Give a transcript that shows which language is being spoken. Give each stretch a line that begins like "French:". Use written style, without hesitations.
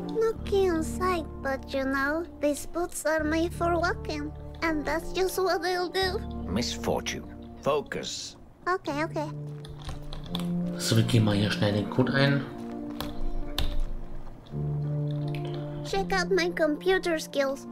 English: No key inside, but you know, these boots are made for walking. And that's just what they'll do. Misfortune. Focus. Okay, okay.
German: So, wir gehen mal hier schnell den Code ein.
English: Check out my computer skills.